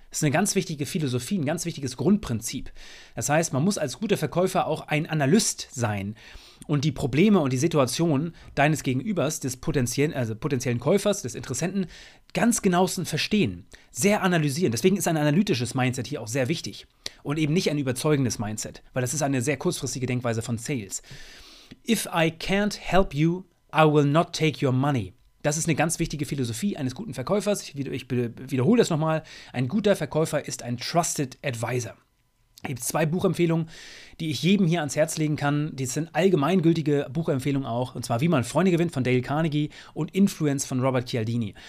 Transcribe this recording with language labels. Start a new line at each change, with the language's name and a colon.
German: Das ist eine ganz wichtige Philosophie, ein ganz wichtiges Grundprinzip. Das heißt, man muss als guter Verkäufer auch ein Analyst sein und die Probleme und die Situation deines Gegenübers, des potenziellen Käufers, des Interessenten, ganz genauestens verstehen, sehr analysieren. Deswegen ist ein analytisches Mindset hier auch sehr wichtig und eben nicht ein überzeugendes Mindset, weil das ist eine sehr kurzfristige Denkweise von Sales.
English: If I can't help you, I will not take your money.
German: Das ist eine ganz wichtige Philosophie eines guten Verkäufers. Ich wiederhole das nochmal. Ein guter Verkäufer ist ein Trusted Advisor. Es gibt zwei Buchempfehlungen, die ich jedem hier ans Herz legen kann. Die sind allgemeingültige Buchempfehlungen auch. Und zwar Wie man Freunde gewinnt von Dale Carnegie und Influence von Robert Cialdini.